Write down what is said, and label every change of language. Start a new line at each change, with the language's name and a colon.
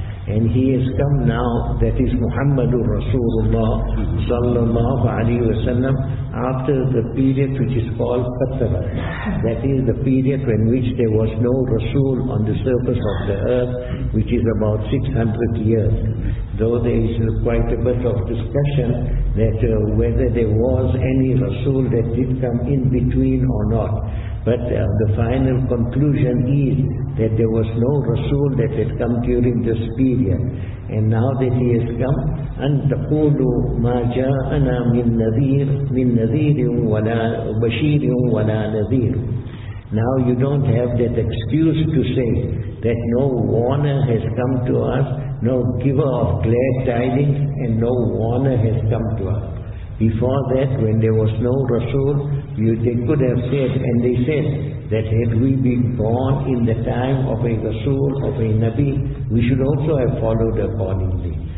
English: And he has come now, that is Muhammadur Rasulullah sallallahu alayhi wa sallam, after the period which is called Fatra, that is the period in which there was no Rasul on the surface of the earth, which is about 600 years. Though there is quite a bit of discussion that whether there was any Rasul that did come in between or not. But the final conclusion is that there was no Rasul that had come during this period. And now that he has come,
Arabic: أَن تَقُولُوا مَا جَاءَنَا مِن نَذِيرٍ مِن نَذِيرٍ وَلَا بَشِيرٍ وَلَا نَذِيرٍ.
English: Now you don't have that excuse to say that no warner has come to us, no giver of glad tidings, and no warner has come to us. Before that, when there was no Rasul, they could have said, and they said, that had we been born in the time of a Rasul, of a Nabi, we should also have followed accordingly.